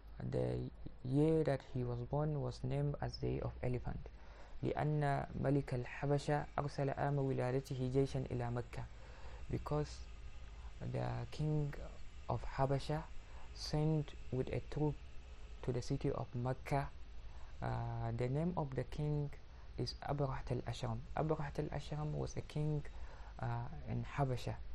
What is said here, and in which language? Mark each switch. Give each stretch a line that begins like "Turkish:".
English: The year that he was born was named as the year of elephant.
Arabic: لأن ملك الحبشة أرسل عام ولادته جيشا إلى مكة.
English: Because the king of Habasha sent with a troop to the city of Mecca. The name of the king is Abrah al-Ashram. Abrah al-Ashram was a king in Habasha.